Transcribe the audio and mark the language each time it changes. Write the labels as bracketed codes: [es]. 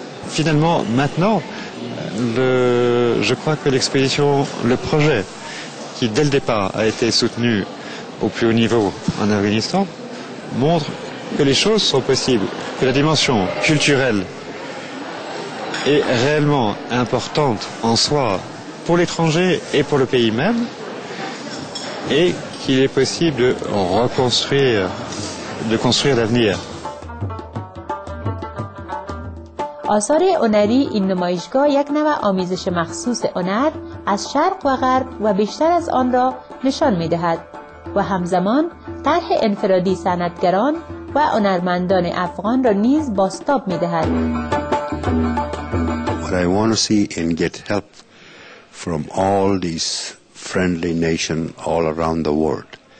[fr] Finalement, maintenant, je crois que l'exposition, le projet qui, dès le départ, a été soutenu au plus haut niveau en Afghanistan, montre que les choses sont possibles, que la dimension culturelle est réellement importante en soi pour l'étranger et pour le pays même, et qu'il est possible de reconstruire, de construire l'avenir. [fa] آثار هنری این نمایشگاه یک نوع آمیزش مخصوص هنر از شرق و غرب و بیشتر از آن را نشان می‌دهد و همزمان طرح انفرادی صنعتگران و هنرمندان افغان را نیز بازتاب می‌دهد. [en] What I want to see and get help from all these friendly nations all around the world.